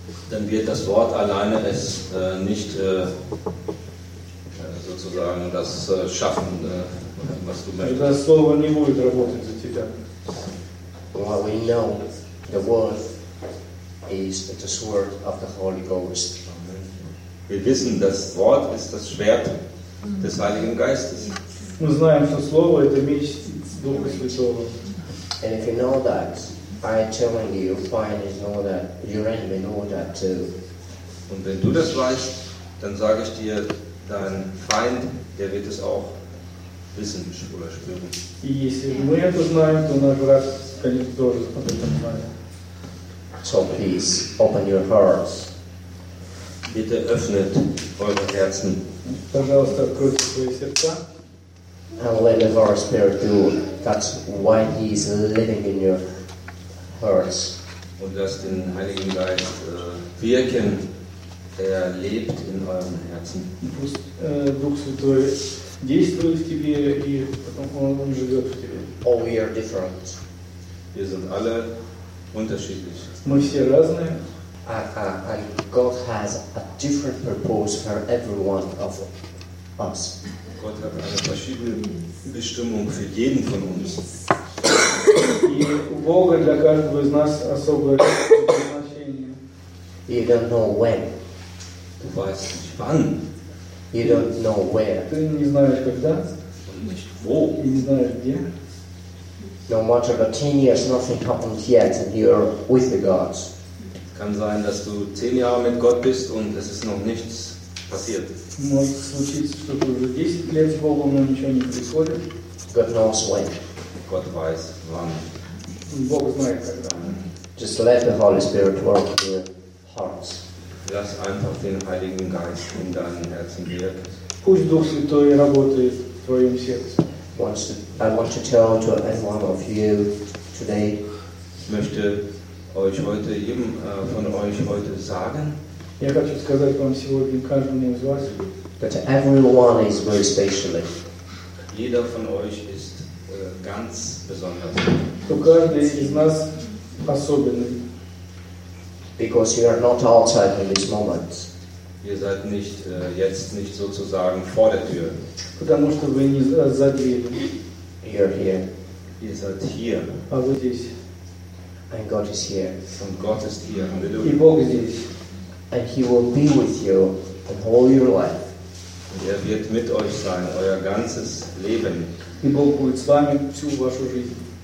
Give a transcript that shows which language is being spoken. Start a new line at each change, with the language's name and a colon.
German: dann wird das Wort alleine es nicht sozusagen das schaffen
Russian: Это слово не будет работать за тебя.
English: Well, we know the word is the sword of the Holy Ghost.
German: Wir wissen, das Wort ist das Schwert des Heiligen Geistes.
Russian: Мы знаем, что слово это меч Духа Святого.
English: And if you know that, I tell you, you find you know that your enemy know that too.
German: Und wenn du das weißt, dann sage ich dir, dein Feind, der wird es auch wissen oder spüren.
Russian: И если мы это знаем, то наш враг, конечно, тоже об этом знает.
English: So please open your hearts.
German: Bitte öffnet eure Herzen.
Russian: Пожалуйста, откройте свои сердца.
English: And let the Holy Spirit do. That's why He is living in your hearts.
German: Und lass den Heiligen Geist wirken. Er lebt in euren Herzen.
Russian: Дух Святой действует в тебе, и он живет в тебе.
English: All we are different.
German: Wir sind alle unterschiedlich.
Russian: Мы все разные.
English: And God has a different purpose for every one of us.
German: Gott hat eine verschiedene Bestimmung für jeden von uns.
Russian: И у Бога для каждого из нас особое предназначение.
English: You don't know when.
German: Du weißt nicht wann.
English: You don't know where.
Russian: Ты не знаешь когда.
German: Und nicht wo.
Russian: И не знаешь где.
English: No matter the 10 years, nothing happened yet, and you're with the gods.
German: Kann sein, dass du 10 Jahre mit Gott bist und es ist noch nichts passiert.
Russian: Может случиться, что ты уже 10 лет с Богом, но ничего не происходит.
English: God knows when.
German: Gott weiß wann.
Russian: Бог знает когда.
English: Just let the Holy Spirit work in your hearts.
German: Lass einfach den Heiligen Geist in deinem Herzen wirken.
Russian: Пусть Дух Святой работает в твоем сердце.
English: I want to tell to everyone of you today.
German: Ich möchte euch heute jedem von euch heute sagen.
Russian: Я хочу сказать вам сегодня каждому из вас.
English: That everyone is very special.
German: Jeder von euch ist ganz besonders.
Russian: То каждый из нас особенный.
English: Because you are not outside in this moment.
German: Ihr seid nicht jetzt nicht sozusagen vor der Tür.
Russian: Потому что вы не за дверью.
English: You're here.
German: Ihr seid hier.
Russian: А вы здесь.
English: And God is here.
German: Und Gott ist hier.
Russian: И Бог здесь.
English: And He will be with you all your life.
German: Und er wird mit euch sein, euer ganzes Leben.
Russian: И Бог будет с вами всю вашу жизнь.